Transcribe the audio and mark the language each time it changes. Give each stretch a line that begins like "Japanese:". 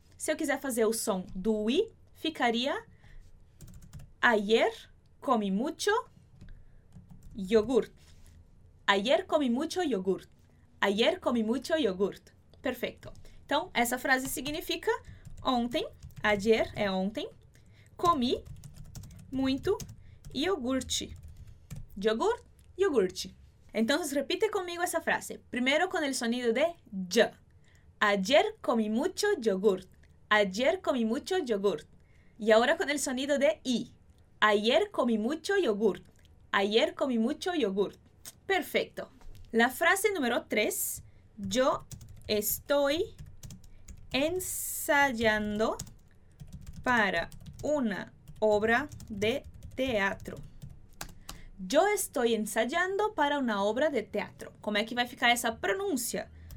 Portuguese: Se eu quiser fazer o som do i, ficaria
Spanish: ayer comí mucho yogurt. Ayer comí mucho yogurt. Ayer comí mucho yogurt. Perfeito.
Portuguese: Então, essa frase significa ontem, ayer é ontem, comi muito iogurte. Yogurt, iogurte.
Spanish: Entonces, repite conmigo esa frase. Primero con el sonido de J. Ayer comí mucho yogurt. Ayer comí mucho yogurt. Y ahora con el sonido de I. Ayer comí mucho yogurt. Ayer comí mucho yogurt. Perfecto. La frase número 3. Yo estoy ensayando para una obra de teatro. Yo estoy ensayando para una obra de teatro.
Portuguese: Como é que vai ficar essa pronúncia?